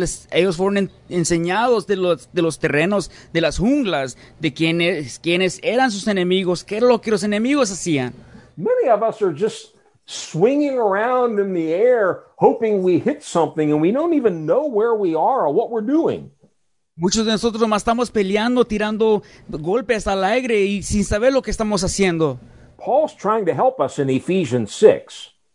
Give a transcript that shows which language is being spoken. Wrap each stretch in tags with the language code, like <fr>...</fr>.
<es>Ellos fueron enseñados de los terrenos, de las junglas, de quiénes eran sus enemigos, qué era lo que los enemigos hacían.</es> <en>Many of us are just swinging around in the air, hoping we hit something, and we don't even know where we are or what we're doing.</en> <es>Muchos de nosotros más estamos peleando, tirando golpes al aire y sin saber lo que estamos haciendo.</es> <en>Paul's trying to help us in Ephesians 6.</en>